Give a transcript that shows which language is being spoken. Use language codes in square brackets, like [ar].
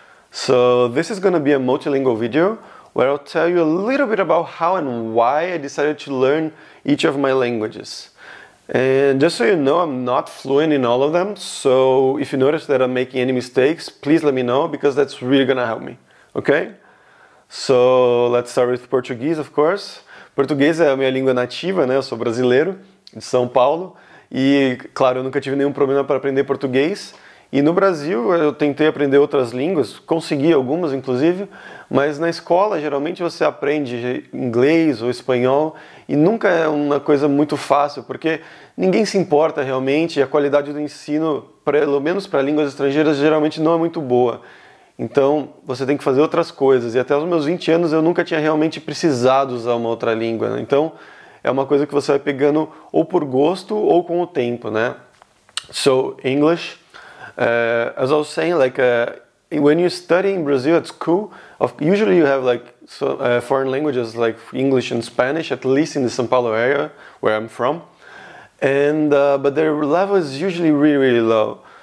[en] So this is going to be a multilingual video where I'll tell you a little bit about how and why I decided to learn each of my languages. And just so you know, I'm not fluent in all of them, so if you notice that I'm making any mistakes, please let me know, because that's really going to help me, okay? So let's start with Portuguese, of course. [pt] Português é a minha língua nativa, né? Eu sou brasileiro, de São Paulo, e claro, eu nunca tive nenhum problema para aprender português. E no Brasil, eu tentei aprender outras línguas, consegui algumas, inclusive, mas na escola, geralmente, você aprende inglês ou espanhol, e nunca é uma coisa muito fácil, porque ninguém se importa realmente, e a qualidade do ensino, pelo menos para línguas estrangeiras, geralmente não é muito boa. Então, você tem que fazer outras coisas. E até os meus 20 anos, eu nunca tinha realmente precisado usar uma outra língua, né? Então, é uma coisa que você vai pegando ou por gosto ou com o tempo, né? [en] So, English. As I was saying, like, when you study in Brazil at school, usually you have, like, foreign languages, like English and Spanish, at least in the São Paulo area, where I'm from. And, but their level is usually really, really low.